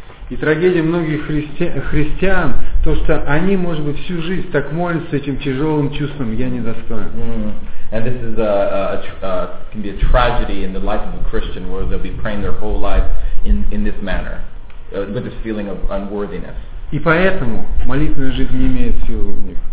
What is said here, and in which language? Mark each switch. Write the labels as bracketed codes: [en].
[ru] И трагедия многих христиан то, что они, может быть, всю жизнь так молятся этим тяжелым чувством, я недостоин. [en] And this is can be a tragedy in the life of a Christian where they'll be praying their whole life in this manner, with this feeling of unworthiness. [ru] И поэтому молитвенная жизнь не имеет силы у них.